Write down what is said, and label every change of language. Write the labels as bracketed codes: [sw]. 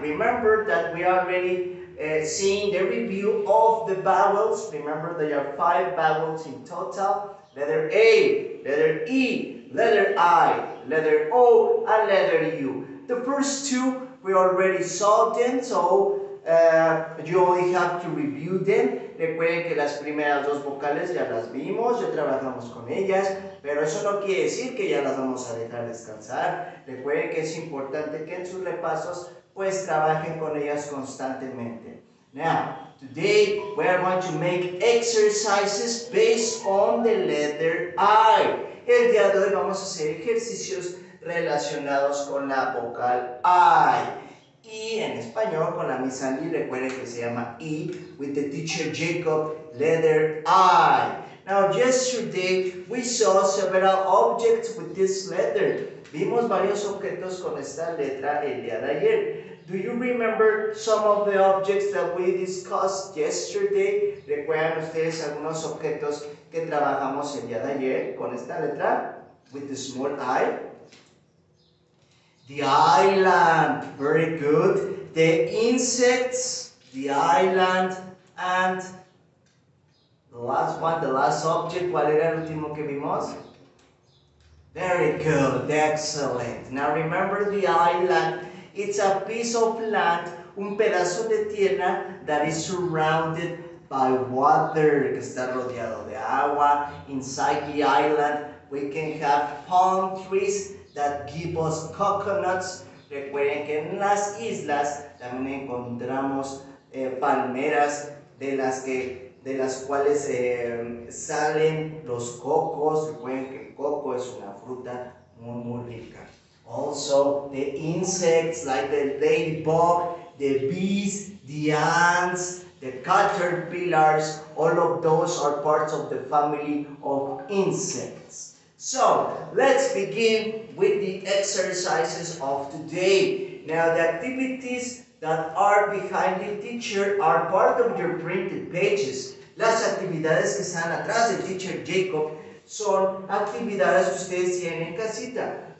[en] Remember that we already seeing the review of the vowels. Remember, there are five vowels in total: letter A, letter E, letter I, letter O, and letter U. The first two we already saw them, so you only have to review them. [es] Recuerden que las primeras dos vocales ya las vimos, ya trabajamos con ellas, pero eso no quiere decir que ya las vamos a dejar descansar. Recuerden que es importante que en sus repasos pues trabajen con ellas constantemente. [en] Now, today we are going to make exercises based on the letter I. [es] El día de hoy vamos a hacer ejercicios relacionados con la vocal I. Y en español, con la Miss Andy, recuerden que se llama E, [en] with the teacher Jacob, letter I. Now, yesterday we saw several objects with this letter. [es] Vimos varios objetos con esta letra el día de ayer. [en] Do you remember some of the objects that we discussed yesterday? [es] ¿Recuerdan ustedes algunos objetos que trabajamos el día de ayer con esta letra? [en] With the small I. The island, very good. The insects, the island, and the last one, the last object, [es] ¿cuál era el último que vimos? [en] Very good, excellent. Now remember the island. It's a piece of land, [es] un pedazo de tierra [en] that is surrounded by water, [es] que está rodeado de agua. [en] Inside the island, we can have palm trees that give us coconuts. [es] Recuerden que en las islas también encontramos palmeras de las cuales salen los cocos. Recuerden que el coco es una fruta muy, muy rica. [en] Also, the insects like the ladybug, the bees, the ants, the caterpillars, all of those are parts of the family of insects. So, let's begin with the exercises of today. Now, the activities that are behind the teacher are part of your printed pages. [es] Las actividades que están atrás del teacher Jacob son actividades que ustedes tienen en casita.